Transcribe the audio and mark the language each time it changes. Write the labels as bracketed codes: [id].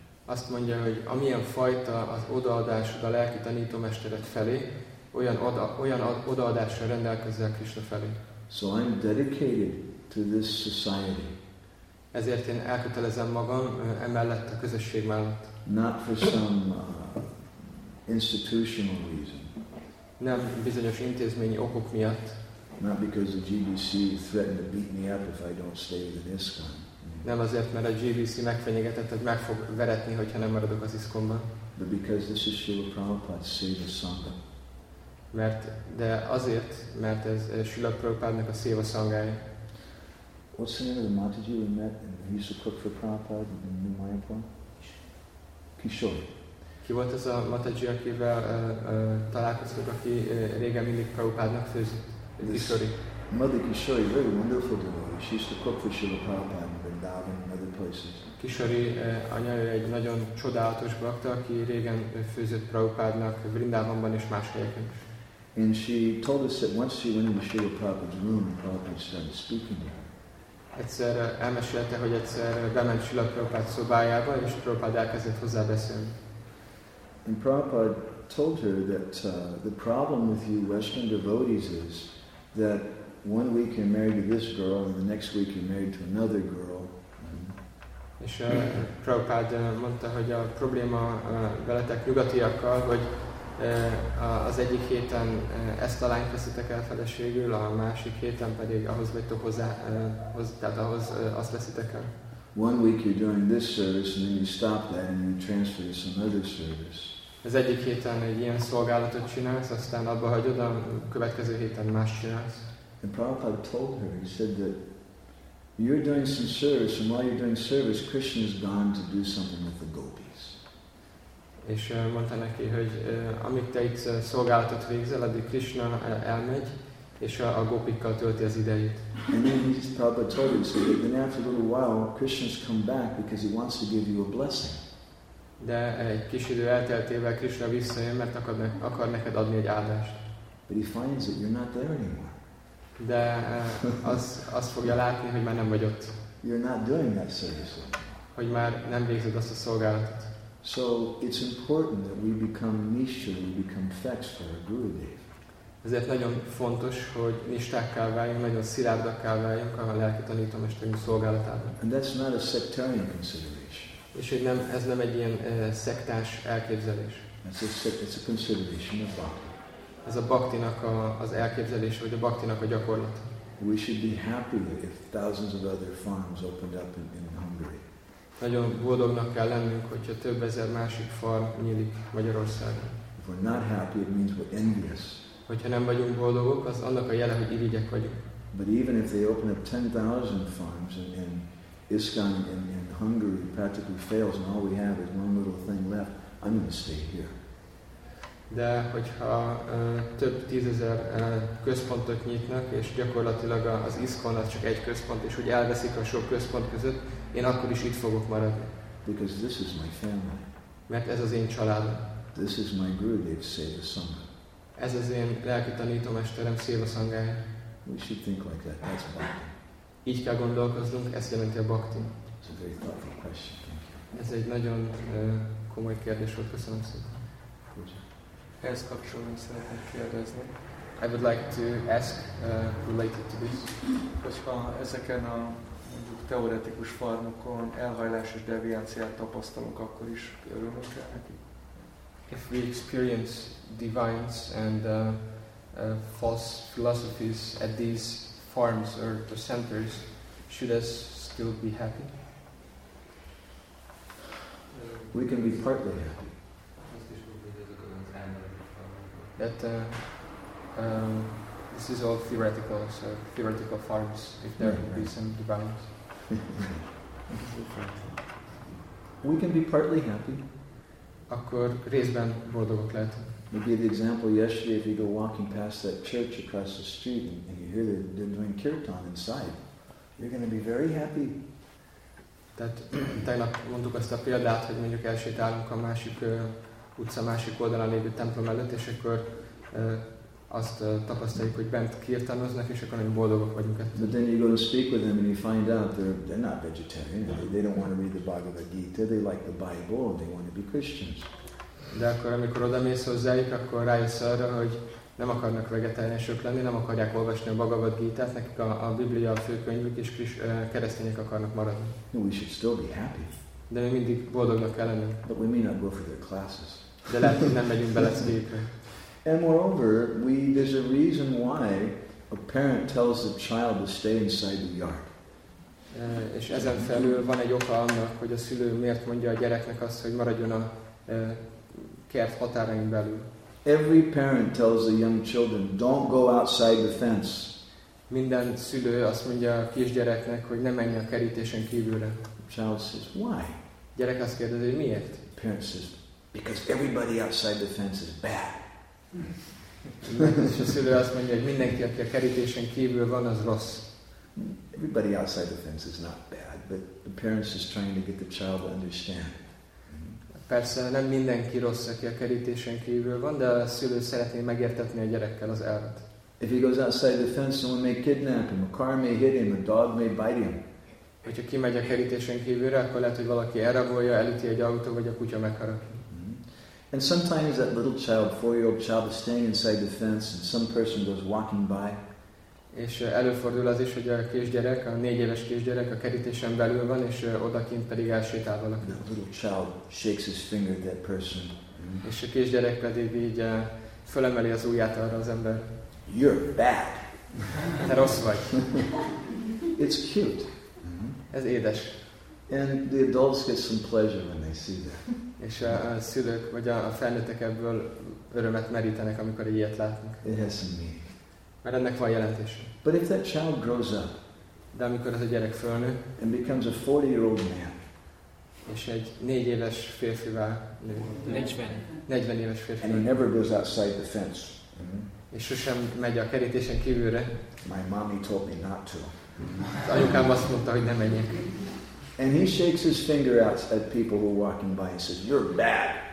[hu] Azt mondja, hogy amilyen fajta az odaadásod a lelki tanítómestered felé, olyan odaadásra rendelkezel Krishna felé. [en] So I'm dedicated to this society. [hu] Ezért én elkötelezem magam emellett a közösség mellett. [en] Not for some institutional reason. [hu] Nem bizonyos intézményi okok miatt. [en] Not because the GBC threatened to beat me up if I don't stay with the ISKCON. [hu] Nem azért, mert a GBC megfenyegetett, hogy meg fog veretni, hogyha nem maradok az ISKCON-ban. [en] But because this is Srila Prabhupada's Seva Sangha. [hu] Mert ez Srila Prabhupada-nak a Seva Sanghája. [en] What's the name of the Mataji we met and he used to cook for Prabhupada in New Mayapur? Kishore. [hu] Ki volt az a Mataji, akivel találkoztak, aki régen mindig Prabhupádnak főzött? Kishori. [en] Mother Kishori, very wonderful boy. She used to cook for Srila Prabhupada in Vrindavan and other places. [hu] Kishori anya egy nagyon csodálatos bhakta, aki régen főzött Prabhupádnak Vrindavanban és más helyeken. [en] And she told us that once she went into Srila Prabhupada's room, Prabhupada started speaking to her. [hu] Egyszer elmesélte, hogy egyszer bement Srila Prabhupád szobájába, és Prabhupád elkezdett hozzá beszélni. [en] And Prabhupada told her that the problem with you Western devotees is that one week you're married to this girl, and the next week you're married to another girl. [hu] És Prabhupada mondta, hogy a probléma veletek nyugatiakkal, hogy az egyik héten ezt a lányt veszitek el feleségül, a másik héten pedig ahhoz vagytok hozzá, tehát ahhoz azt veszitek el. [en] One week you're doing this service, and then you stop that, and you transfer to some other service. [hu] Az egyik héten egy ilyen szolgálatot csinálsz, aztán abba hagyod, a következő héten más csinálsz. [en] And Prabhupada told her, he said that you're doing some service, and while you're doing service, Krishna's gone to do something with the gopis. [hu] És mondta neki, hogy amíg te itt szolgálatot végzel, addig Krishna elmegy, és a gópikkal tölti az idejét. [en] And then Prabhupada told him, so that then after a little while, Krishna's come back because he wants to give you a blessing. [hu] De egy kis idő elteltével Krishna visszajön, mert akar neked adni egy áldást. [en] But he finds that you're not there anymore. [hu] De azt fogja látni, hogy már nem vagy ott. [en] You're not doing that service anymore. [hu] Hogy már nem végzed azt a szolgálatot. [en] So it's important that we become nishcha, we become facts for our Gurudev. [hu] Ezért nagyon fontos, hogy nistákká váljunk, nagyon szilárdakká váljunk a lelki tanítómesterünk szolgálatában. [en] And that's not a sectarian consideration. [hu] És hogy nem, ez nem egy ilyen szektás elképzelés. [en] It's a consideration of bhakti. [hu] Ez a bhaktinak az elképzelés, vagy a bhaktinak a gyakorlat. [en] We should be happy if thousands of other farms opened up in Hungary. [hu] Nagyon boldognak kell lennünk, hogyha több ezer másik farm nyílik Magyarországon. [en] If we're not happy, it means we're envious. [hu] Hogyha nem vagyunk boldogok, az annak a jele, hogy irigyek vagyunk. [en] But even if they open up 10,000 farms in ISKCON in Hungary practically fails and all we have is one little thing left, I'm going to stay here. [hu] De hogyha több tízezer központot nyitnak, és gyakorlatilag az ISKCON az csak egy központ, és hogy elveszik a sok központ között, én akkor is itt fogok maradni. [en] Because this is my family. [hu] Mert ez az én családom. [en] This is my Gurudev Seva Sangha. [hu] Ez az én lelki tanítómesterem Seva Sangha. [en] We should think like that. That's bhakti. [hu] Így kell gondolkoznunk, ez jelenti a bhakti. [en] It's a very thoughtful question. Thank you. [hu] Ez egy nagyon komoly kérdés volt, köszönöm szépen. Ehhez kapcsolatban szeretnék kérdezni. [en] I would like to ask related to this. [hu] Hogyha ezeken a mondjuk teoretikus farmokon elhajlás és devianciát tapasztalunk, akkor is örülünk el neki? [en] If we experience deviance and false philosophies at these farms or the centers, should us still be happy? We can be partly happy. That this is all theoretical, so theoretical farms, if there would be some deviance. We can be partly happy. [hu] Akkor részben boldogok lehetünk. [en] Maybe the example yesterday, if you go walking past that church across the street and you hear they're doing kirtan inside, you're going to be very happy. [hu] Tehát tegnap mondtuk azt a példát, hogy mondjuk elsétálunk a másik utca másik oldalán lévő templom előtt, és akkor azt tapasztaljuk, hogy bent kirtanoznak, és akkor nagyon boldogok vagyunk ettől. [en] But then you go to speak with them and you find out they're not vegetarian. They don't want to read the Bhagavad Gita. They like the Bible and they want to be Christians. [hu] De akkor, amikor odamész hozzájuk, akkor rájössz arra, hogy nem akarnak vegetáriánusok lenni, nem akarják olvasni a Bhagavad Gita-t, nekik a Biblia a főkönyvük, és keresztények akarnak maradni. [en] We should still be happy. [hu] De mi mindig boldognak kell lenni. [en] But we may not go for their classes. [hu] De lehet, hogy nem megyünk bele szívükre. [en] And moreover, there's a reason why a parent tells the child to stay inside the yard. [hu] És ezen felül van egy oka annak, hogy a szülő miért mondja a gyereknek azt, hogy maradjon a kert határain belül. [en] Every parent tells the young children, don't go outside the fence. [hu] Minden szülő azt mondja a kisgyereknek, hogy ne menj a kerítésen kívülre. [en] The child says, why? [hu] Gyerek azt kérdezi, miért? [en] Parent says, Because everybody outside the fence is bad. [hu] És a szülő azt mondja, hogy mindenki, aki a kerítésen kívül van, az rossz. [en] Everybody outside the fence is not bad, but the parents just trying to get the child to understand. [hu] Persze nem mindenki rossz, aki a kerítésen kívül van, de a szülő szeretné megértetni a gyerekkel az elvet. [en] If he goes outside the fence, someone may kidnap him, a car may hit him, a dog may bite him. [hu] Hogyha kimegy a kerítésen kívülre, akkor lehet, hogy valaki elrabolja, elüti egy autó, vagy a kutya megharap. [en] And sometimes that little child, four-year-old child, is staying inside the fence, and some person goes walking by. [hu] És előfordul az is, hogy a kisgyerek, a négy éves kisgyerek a kerítésen belül van, és odakint pedig elsétál valaki. [en] The little child shakes his finger at that person. [hu] És a kisgyerek pedig így fölemeli az ujját arra az ember. [en] You're bad. [hu] Te rossz vagy. [en] It's cute. [hu] Ez édes. [en] And the adults get some pleasure when they see that. [hu] És a szülők vagy a felnőttek ebből örömet merítenek, amikor ilyet látnak. [en] It has some meaning. [hu] Mert ennek van jelentése. [en] But if that child grows up, [hu] de amikor ez a gyerek fölnő, [en] and becomes a 40-year-old man, [hu] és egy 4 éves férfivá nő, 40 éves férfivá, [en] and he never goes outside the fence, [hu] és sosem megy a kerítésen kívülre, [en] my mommy told me not to. [hu] Az anyukám azt mondta, hogy ne menjek. [en] And he shakes his finger out at people who are walking by and says, "You're bad."